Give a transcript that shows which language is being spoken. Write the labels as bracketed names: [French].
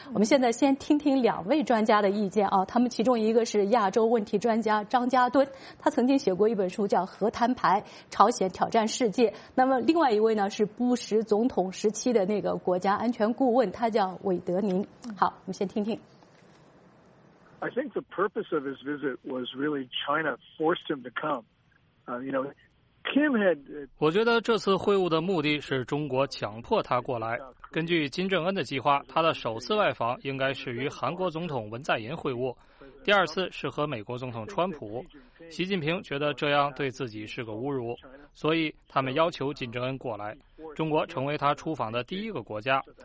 [Chinese] 我们现在先听听两位专家的意见啊，他们其中一个是亚洲问题专家张家敦，他曾经写过一本书叫《核摊牌：朝鲜挑战世界》。那么另外一位呢是布什总统时期的那个国家安全顾问，他叫韦德宁。好，我们先听听。 [English] I think the purpose of his visit was really China forced him to come. Kim had. [Chinese] 我觉得这次会晤的目的是中国强迫他过来。根据金正恩的计划，他的首次外访应该是与韩国总统文在寅会晤，第二次是和美国总统川普。习近平觉得这样对自己是个侮辱，所以他们要求金正恩过来，中国成为他出访的第一个国家。